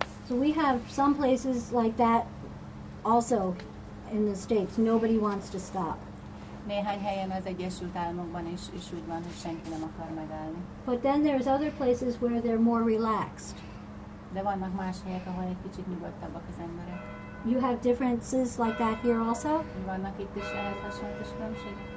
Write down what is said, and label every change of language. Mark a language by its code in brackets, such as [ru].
[en] So we have some places like that also in the States. Nobody wants to stop. [hu] Néhány helyen az Egyesült Államokban is úgy van, hogy senki nem akar megállni. [en] But then there's other places where they're more relaxed. [hu] De vannak más helyek, ahol egy kicsit nyugodtabbak az emberek. [en] You have differences like that here also? [hu] Vannak itt is ehhez hasonló kis különbség?